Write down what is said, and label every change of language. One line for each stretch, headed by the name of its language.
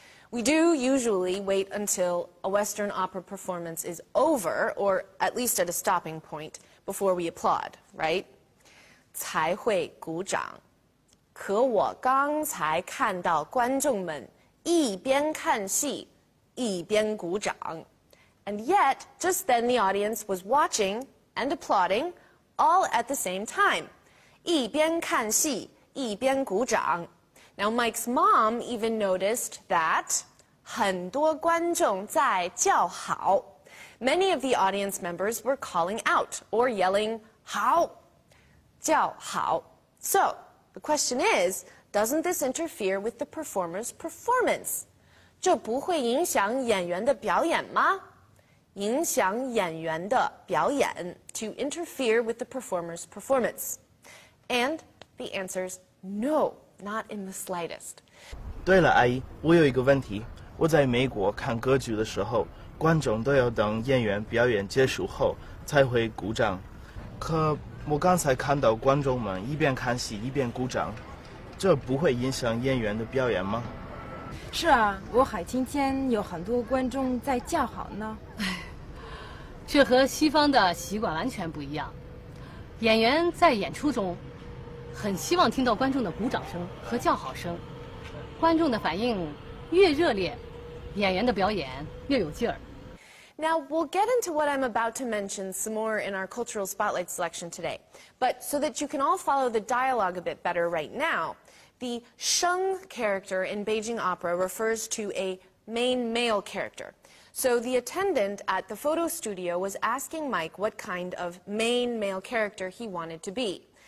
English: We do usually wait until a Western opera performance is over, or at least at a stopping point, before we applaud, right?
Chinese: 才会鼓掌。可我刚才看到观众们一边看戏，一边鼓掌。
English: And yet, just then the audience was watching and applauding all at the same time.
Chinese: 一边看戏，一边鼓掌。
English: Now Mike's mom even noticed that
Chinese: 很多观众在叫好。
English: Many of the audience members were calling out or yelling 好，叫好。 So, the question is, doesn't this interfere with the performer's performance?
Chinese: 这不会影响演员的表演吗？影响演员的表演
English: to interfere with the performer's performance. And the answer is no. Not in the slightest.
Chinese: 对了，阿姨，我有一个问题。我在美国看歌剧的时候，观众都要等演员表演结束后才会鼓掌。可我刚才看到观众们一边看戏一边鼓掌，这不会影响演员的表演吗？是啊，我还听见有很多观众在叫好呢。这和西方的习惯完全不一样。演员在演出中很希望听到观众的鼓掌声和叫好声，观众的反应越热烈，演员的表演越有劲儿。
English: Now we'll get into what I'm about to mention some more in our cultural spotlight selection today. But so that you can all follow the dialogue a bit better right now, the Sheng character in Beijing opera refers to a main male character. So the attendant at the photo studio was asking Mike what kind of main male character he wanted to be.